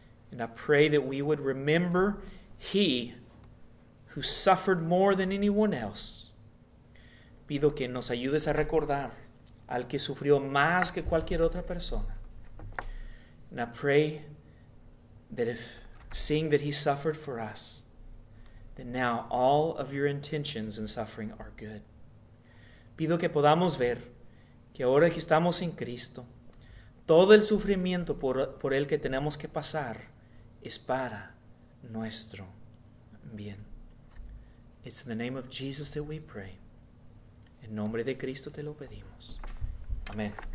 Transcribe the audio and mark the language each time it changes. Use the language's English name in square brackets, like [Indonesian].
[English] And I pray that we would remember he who suffered more than anyone else. [Spanish] Pido que nos ayudes a recordar al que sufrió más que cualquier otra persona. [English] And I pray that if seeing that he suffered for us, then now all of your intentions in suffering are good. [Spanish] Pido que podamos ver que ahora que estamos en Cristo, todo el sufrimiento por el que tenemos que pasar es para nuestro bien. [English] It's in the name of Jesus that we pray. [Spanish] En nombre de Cristo te lo pedimos. Amén.